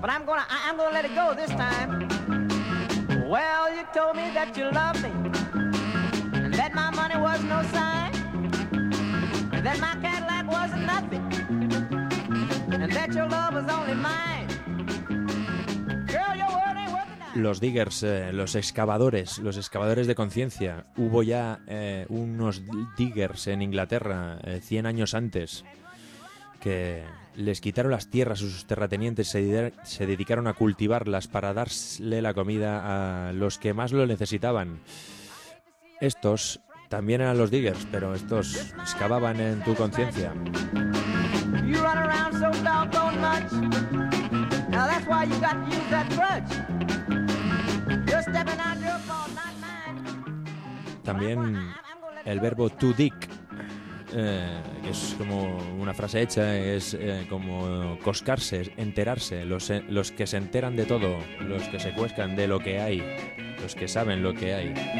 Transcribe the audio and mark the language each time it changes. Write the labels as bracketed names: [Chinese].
[English] But I'm gonna let it go this time. Well, you told me that you loved me, and that my money was no sign, and that my Cadillac wasn't nothing, and that your love was only mine. Girl, your word ain't worth a dime. [Spanish] Los Diggers, los excavadores de conciencia. Hubo ya unos Diggers en Inglaterra 100 años antes, que les quitaron las tierras a sus terratenientes, se dedicaron a cultivarlas para darle la comida a los que más lo necesitaban. Estos también eran los Diggers, pero estos excavaban en tu conciencia. [English] You run around so doggone much. Now that's why you got to use that brush. You're stepping on your fault, not mine. [Spanish] También el verbo to dig, que es como una frase hecha, es como coscarse, enterarse, los que se enteran de todo, los que se cuescan de lo que hay, los que saben lo que hay.